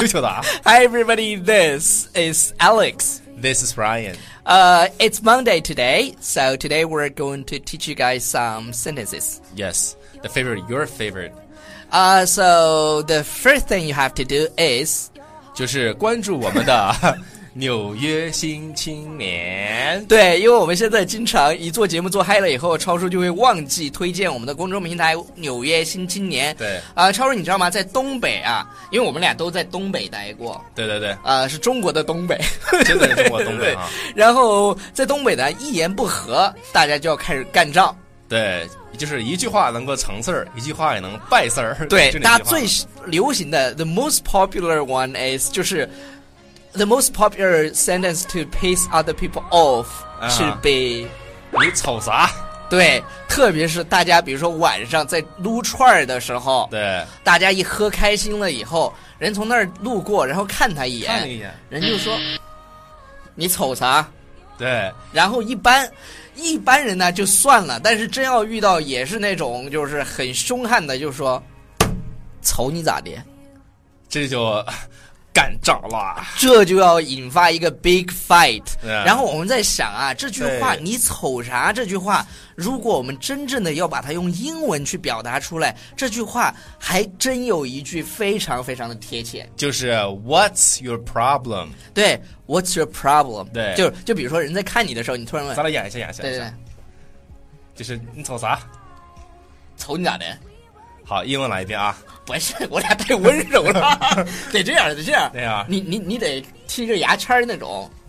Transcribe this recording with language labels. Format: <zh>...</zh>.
<zh>羞羞哒。</zh> <en>Hi everybody, this is Alex. This is Ryan. It's Monday today, so today we're going to teach you guys some sentences. Yes, the favorite, your favorite. So the first thing you have to do is,</en> <zh>就是关注我们的纽约新青年。对，因为我们现在经常一做节目做嗨了以后，超叔就会忘记推荐我们的公众平台纽约新青年。对，超叔你知道吗？在东北啊，因为我们俩都在东北待过。对对对，是中国的东北，真的是中国东北啊。然后在东北呢，一言不合，大家就要开始干仗。对，就是一句话能够成事儿，一句话也能败事儿。对，大家最流行的</zh> <en>the most popular one is</en> <zh>就是。</zh> <en>The most popular sentence to piss other people off should be</en> <zh>你吵啥？对，特别是大家比如说晚上在撸串的时候，对，大家一喝开心了以后，人从那儿路过然后看他一眼，看一眼，人就说你吵啥？对，然后一般人呢就算了，但是真要遇到也是那种就是很凶悍的，就说吵你咋的，这就干仗了，这就要引发一个</zh> <en>big fight。</en> <zh>然后我们在想啊，这句话你瞅啥？这句话如果我们真正的要把它用英文去表达出来，这句话还真有一句非常非常的贴切，就是</zh> <en>What's your problem？对 ，What's your problem？</en> <zh>对，就比如说人在看你的时候，你突然问，咱俩演一下，演一下，对对，就是你瞅啥？瞅你咋的？好，英文来一遍啊！不是，我俩太温柔了，得这样，得这样。对呀、啊，你得剔着牙签那种。</zh>